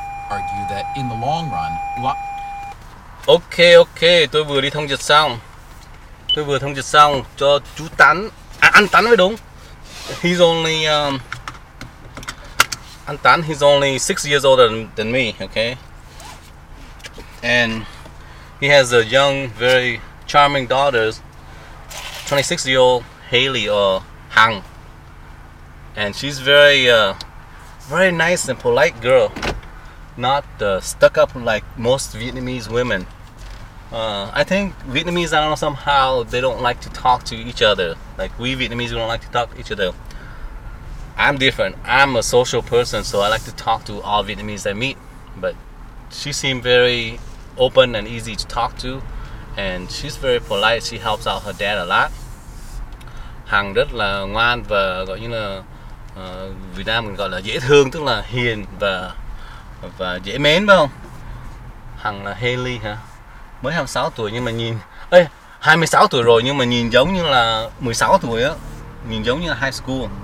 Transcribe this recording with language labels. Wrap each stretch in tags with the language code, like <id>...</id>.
<en>argue that in the long run,</en> <vi>Okay, okay, tôi vừa đi thông dịch xong. Tôi vừa thông dịch xong cho chú Tán. À, anh Tán mới đúng.</vi> <en>He's only, anh Tán, he's only 6 years older than me, okay? And he has a young, very charming daughter, 26-year-old Haley or Hang. And she's very, very nice and polite girl. Not stuck up like most Vietnamese women. I think Vietnamese, I don't know, somehow they don't like to talk to each other. Like, we Vietnamese, we don't like to talk to each other. I'm different. I'm a social person, so I like to talk to all Vietnamese I meet. But she seemed very open and easy to talk to. And she's very polite. She helps out her dad a lot.</en> <vi>Hằng rất là ngoan và gọi như là Việt Nam mình gọi là dễ thương, tức là hiền và dễ mến, phải không? Hằng là Haley hả? Mới 26 tuổi nhưng mà nhìn... Ê, 26 tuổi rồi nhưng mà nhìn giống như là 16 tuổi á. Nhìn giống như là high school.</vi>